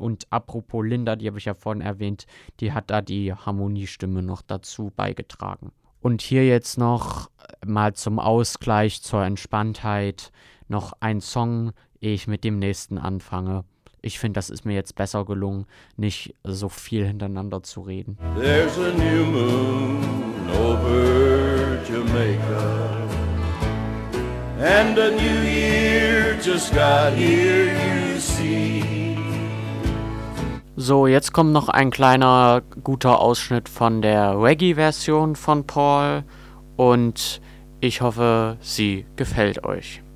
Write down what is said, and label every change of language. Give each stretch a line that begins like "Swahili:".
German: Und apropos Linda, die habe ich ja vorhin erwähnt, die hat da die Harmoniestimme noch dazu beigetragen. Und hier jetzt noch mal zum Ausgleich, zur Entspanntheit, noch ein Song, ehe ich mit dem nächsten anfange. Ich finde, das ist mir jetzt besser gelungen, nicht so viel hintereinander zu reden.
English: There's a new moon over Jamaica. And a new year just got here, you see.
German: So, jetzt kommt noch ein kleiner guter Ausschnitt von der Reggae-Version von Paul. Und ich hoffe, sie gefällt euch.